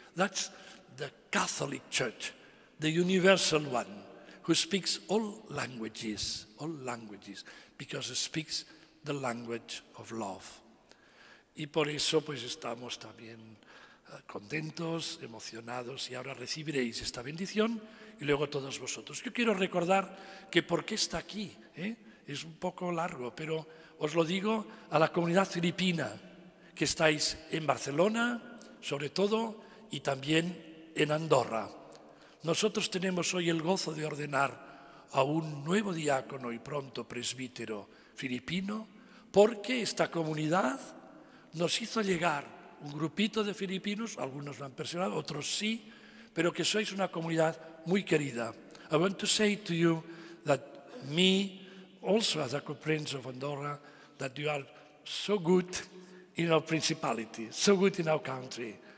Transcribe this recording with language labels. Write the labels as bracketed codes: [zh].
[en] That's the Catholic Church, the universal one, who speaks all languages, because it speaks the language of love. [es] Y por eso pues estamos también contentos, emocionados, y ahora recibiréis esta bendición y luego todos vosotros. Yo quiero recordar que por qué está aquí, es un poco largo, pero os lo digo a la comunidad filipina, que estáis en Barcelona, sobre todo, y también en Andorra. Nosotros tenemos hoy el gozo de ordenar a un nuevo diácono y pronto presbítero filipino, porque esta comunidad nos hizo llegar un grupito de filipinos, algunos lo han personado, otros sí, pero que sois una comunidad muy querida. [en] I want to say to you that me, also as a co-prince of Andorra, that you are so good in our principality, so good in our country.